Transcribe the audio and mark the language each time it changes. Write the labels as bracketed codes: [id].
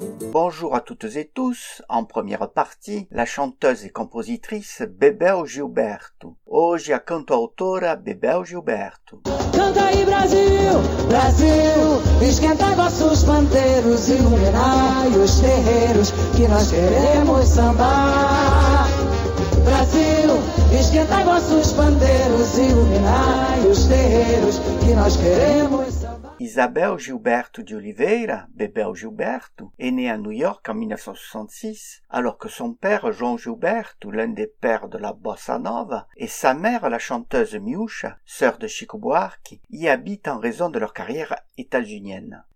[fr] Bonjour à toutes et tous. En première partie, la chanteuse et compositrice Bebel Gilberto. [pt] Hoje a cantautora Bebel Gilberto. Canta aí Brasil, Brasil, esquenta vossos panteiros, iluminai os terreiros que nós queremos sambar. Brasil, esquenta vossos panteiros, iluminai os terreiros que nós queremos. [fr] Isabel Gilberto de Oliveira, Bebel Gilberto, est née à New York en 1966, alors que son père, João Gilberto, l'un des pères de la bossa nova, et sa mère, la chanteuse Miúcha, sœur de Chico Buarque, y habitent en raison de leur carrière états-unienne.